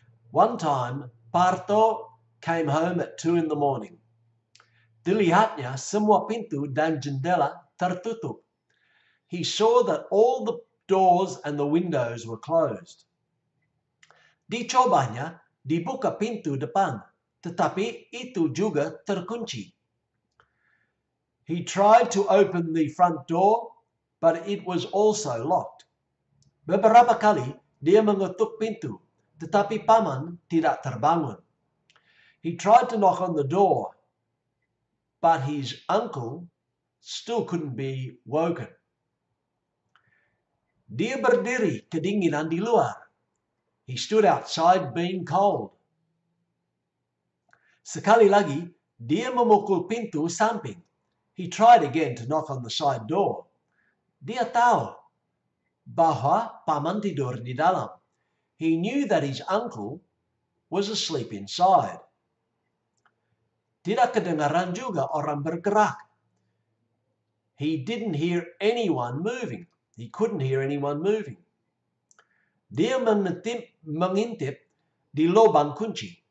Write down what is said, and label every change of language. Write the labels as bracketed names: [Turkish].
[English] One time, Parto came home at 2 in the morning. [Indonesian] Dilihatnya, semua pintu dan jendela tertutup. [English] He saw that all the doors and the windows were closed. [Indonesian] Dicobanya, dibuka pintu depan, tetapi itu juga terkunci. [English] He tried to open the front door, but it was also locked. [Indonesian] Beberapa kali, dia mengetuk pintu, tetapi paman tidak terbangun. [English] He tried to knock on the door, but his uncle still couldn't be woken. [Indonesian] Dia berdiri kedinginan di luar. [English] He stood outside being cold. [Indonesian] Sekali lagi, dia memukul pintu samping. [English] He tried again to knock on the side door. [Indonesian] Dia tahu bahwa paman tidur di dalam. [English] He knew that his uncle was asleep inside. [Indonesian] Tidak kedengaran juga orang bergerak. [English] He didn't hear anyone moving. He couldn't hear anyone moving. [Indonesian] Dia mengintip di lubang kunci.